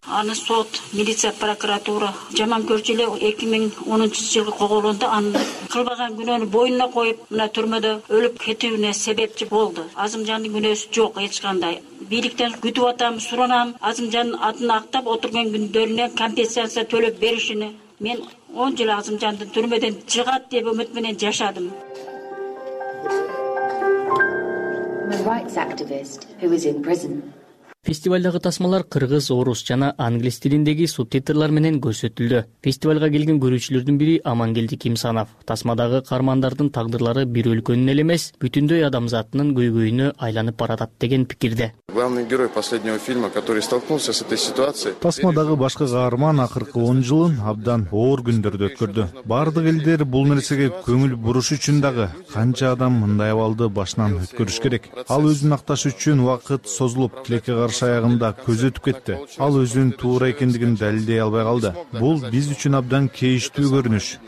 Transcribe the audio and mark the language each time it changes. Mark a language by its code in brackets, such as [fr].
[ky] Аны сот, милиция, прокуратура жаман көрчү эле 2010-жылы коголгондо аны кылбаган күнөөнү боюнуна коюп, мына түрмөдө өлүп кетүүнө себепчи болду. Азымжандын күнөөсү жок эч кандай. Бийликтен күтүп атам, суранам, Азымжан атын актап отурган күндөрүнө компенсация төлөп беришини. Мен 10 жыл Азымжанды түрмөдөн чыгат деп үмүт менен жашадым. [en] Rights activist who was in prison. [ky] Фестивалдагы тасмалар кыргыз, орус жана англис тилиндеги субтитрлар менен көрсөтүлдү. Фестивалга келген көрүүчүлөрдүн бири Амангелди Кимсанов. Тасмадагы каармандардын тагдырлары бир өлкөнүн эле эмес, бүтүндөй адамзатынын көйгөйүнө айланып баратат деген пикирде. [ru] Главный герой последнего фильма, который столкнулся с этой ситуацией. [ky] Тасмадагы башкы каарман акыркы 10 жылын абдан оор күндөрдө өткөрдү. Бардык элдер бул нерсеге көңүл буруш үчүн дагы канча адам мындай абалды башынан өткөрүш керек. Ал өзүн акташ үчүн убакыт созулуп, тилекке карш аягында көз өтүп кетти. Ал өзүн туура экендигин далилдей албай калды. Бул биз үчүн абдан кейиштүү көрүнүш.